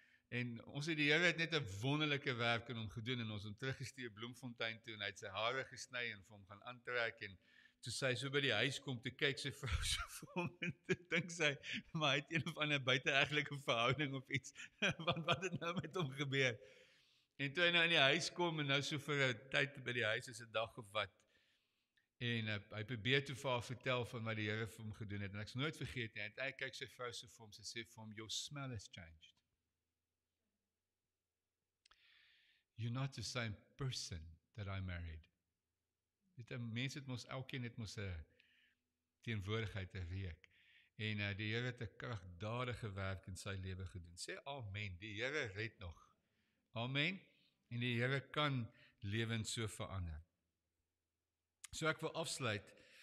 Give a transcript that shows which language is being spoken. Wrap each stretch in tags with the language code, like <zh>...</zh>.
<af>en ons het die Here het net 'n wonderlike werk in hom gedoen en ons hom teruggestuur Bloemfontein toe en hy het sy hare gesny en vir hom gaan aantrek en toe sy so by die huis kom te kyk sy vrou so vir hom en te dink sy maar hy het een of ander buiteegtelike verhouding of iets want wat het nou met hom gebeur en toe hy nou in die huis kom en nou so vir 'n tyd by die huis is 'n dag of wat en hy probeer toe vir haar vertel van wat die Here vir hom gedoen het en ek sal nooit vergeet nie hy kyk sy vrou so vir hom sy sê vir hom</af> <en>your smell has changed. You're not the same person that I married.</en> <af>Dit mens het mos elkeen het mos 'n teenwoordigheid te reek. En die Here het 'n kragdadige werk in sy lewe gedoen. Sê amen. Die Here red nog. Amen. En die Here kan lewens so verander. So ek wil afsluit.</af>